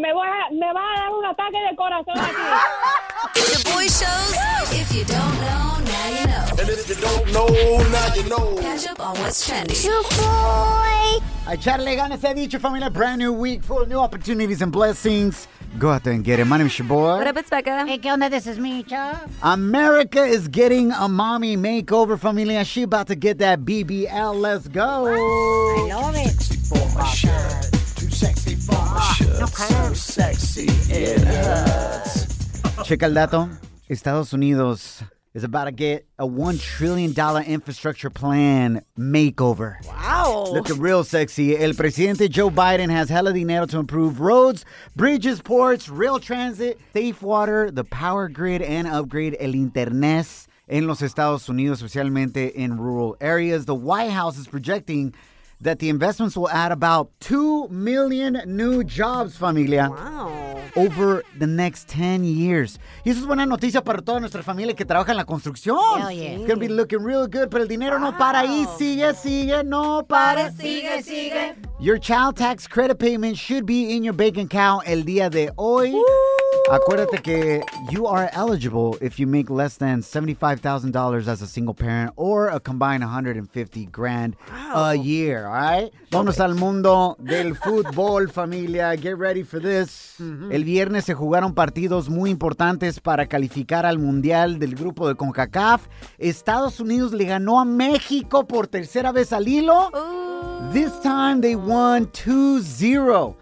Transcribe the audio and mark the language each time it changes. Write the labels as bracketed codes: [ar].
[es] Me va a dar un ataque de corazón aquí. [en] The boy shows. If you don't know, now you know. And if you don't know, now you know. Catch up on what's trending. Your boy. [es] Echarle ganas, he dicho, familia. [en] Brand new week full of new opportunities and blessings. Go out there and get it. My name is Shaboy. What up, it's Becca. Hey, [es] ¿qué onda? [en] This is Micho. America is getting a mommy makeover, familia. She about to get that BBL. Let's go. I love it. Too sexy for my shirt. Too sexy for my shirt. Okay. So sexy it hurts. [es] Checa el dato. [en] Estados Unidos is about to get a $1 trillion infrastructure plan makeover. Wow. Looking real sexy. [es] El presidente [en] Joe Biden has hella dinero to improve roads, bridges, ports, rail transit, safe water, the power grid, and upgrade [es] el internet en los Estados Unidos, especialmente [en] in rural areas. The White House is projecting that the investments will add about 2 million new jobs, familia. Wow. Over the next 10 years. [es] Y eso es buena noticia para toda nuestra familia que trabaja en la construcción. [en] Hell yeah. It's going to be looking real good, [es] pero el dinero no para ahí. Sigue, sigue, no para. Sigue, sigue. [en] Your child tax credit payment should be in your bank account el día de hoy. [es] Acuérdate que [en] you are eligible if you make less than $75,000 as a single parent or a combined $150,000 a year, all right? [es] Vamos al mundo del fútbol, familia. [en] Get ready for this. [es] Mm-hmm. El viernes se jugaron partidos muy importantes para calificar al Mundial del grupo de CONCACAF. Estados Unidos le ganó a México por tercera vez al hilo. [en] This time they won 2-0.